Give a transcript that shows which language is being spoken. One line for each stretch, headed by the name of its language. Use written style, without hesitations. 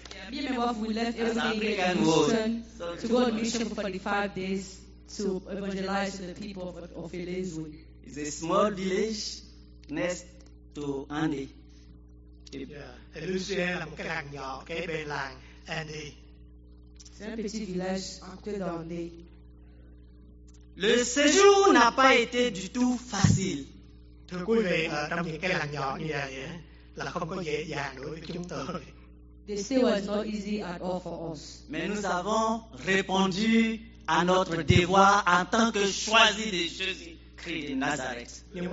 English: Me and my wife, we left everything in Houston to go on mission for 45 days to evangelize the people of Elizwe. It's a small village next to Andy. Yeah.
Vietnamese: Elizwe est là một cái làng nhỏ kế bên làng Andy.
French: C'est un petit village à côté d'Andy. Le séjour n'a pas été du tout facile.
Vietnamese: Thưa quý vị, ở trong những cái làng nhỏ như vậy là không có dễ dàng đối với chúng tôi.
English: The stay was not easy at all for us.
French: Mais nous avons répondu à notre devoir en tant que choisis de Jésus-Christ de Nazareth.